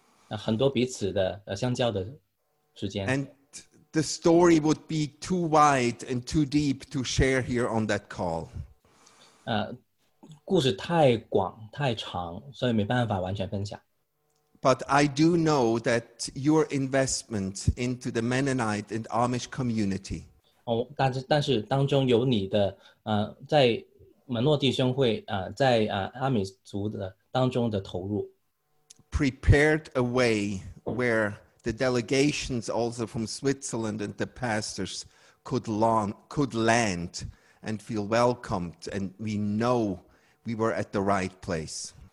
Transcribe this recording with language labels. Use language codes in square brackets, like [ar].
[zh] 很多彼此的相交的时间。 [en] And the story would be too wide and too deep to share here on that call. [zh] 故事太广太长，所以没办法完全分享。 [en] But I do know that your investment into the Mennonite and Amish community. [zh] 但是当中有你的在。门诺弟兄会在阿米族的当中的投入 [en] prepared a way where the delegations also from Switzerland and the pastors could land and feel welcomed, and we know we were at the right place.